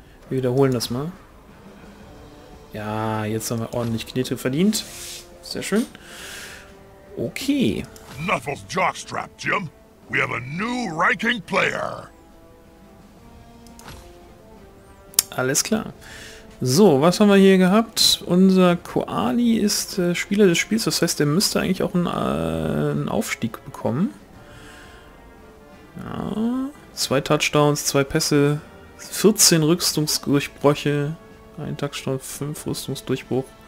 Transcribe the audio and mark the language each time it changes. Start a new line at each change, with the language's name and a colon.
German: Wir wiederholen das mal. Ja, jetzt haben wir ordentlich Knete verdient. Sehr schön. Okay.
English: Knuffles Jockstrap, Jim. We have a new ranking player.
German: Alles klar. So, was haben wir hier gehabt? Unser Koali ist Spieler des Spiels. Das heißt, der müsste eigentlich auch einen Aufstieg bekommen. Ja. Zwei Touchdowns, zwei Pässe, 14 Rüstungsdurchbrüche, ein Touchdown, 5 Rüstungsdurchbruch.